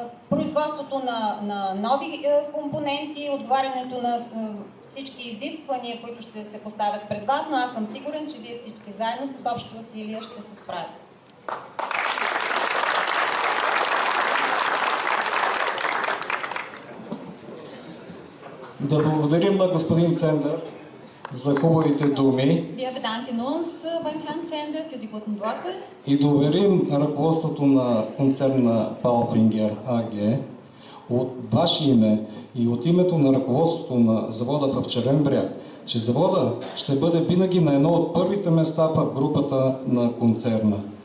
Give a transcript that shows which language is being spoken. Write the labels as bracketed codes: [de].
[bg] Производството на нови компоненти, отговарянето на всички изисквания, които ще се поставят пред вас, но аз съм сигурен, че вие всички заедно с общи усилия ще се справите. Да благодарим на господин Цендър за хубавите думи. [de] Wir bedanken uns beim Herrn Zender für die guten Worte. [bg] И доверим ръководството на концерна Palfinger AG от ваше име и от името на ръководството на завода в Червен бряг, че завода ще бъде винаги на едно от първите места в групата на концерна.